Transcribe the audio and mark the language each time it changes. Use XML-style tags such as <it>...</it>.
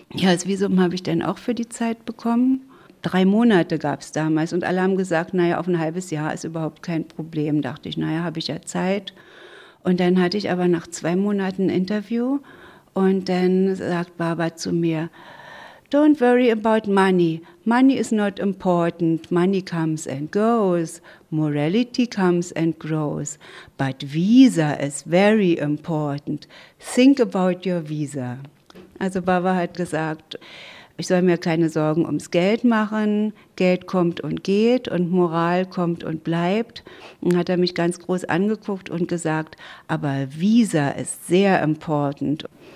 <de>Ja, das Visum habe ich dann auch für die Zeit bekommen. 3 Monate gab es damals und alle haben gesagt, naja, auf ein halbes Jahr ist überhaupt kein Problem. Dachte ich, naja, habe ich ja Zeit. Und dann hatte ich aber nach 2 Monaten ein Interview und dann sagt Barbara zu mir,</de> <en>don't worry about money. Money is not important. Money comes and goes. Morality comes and grows. But visa is very important. Think about your visa.</en> <de>Also Barbara hat gesagt, ich soll mir keine Sorgen ums Geld machen. Geld kommt und geht und Moral kommt und bleibt. Und hat er mich ganz groß angeguckt und gesagt, aber visa ist sehr important.</de>